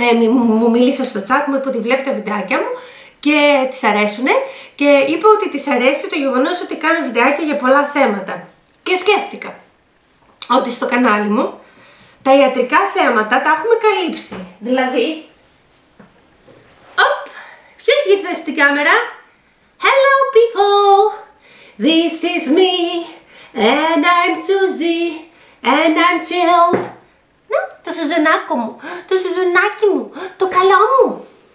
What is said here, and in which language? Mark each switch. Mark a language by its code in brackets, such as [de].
[el] Μου μίλησε στο chat, μου είπε ότι βλέπει τα βιντεάκια μου και της αρέσουνε. Και είπε ότι της αρέσει το γεγονός ότι κάνω βιντεάκια για πολλά θέματα. Και σκέφτηκα ότι στο κανάλι μου τα ιατρικά θέματα τα έχουμε καλύψει. Δηλαδή, οπ, ποιος ήρθε στην κάμερα? [en] Hello people, this is me and I'm Susie and I'm chilled. [el] Να, το σουζονάκο μου, το σουζονάκι μου, το καλό μου.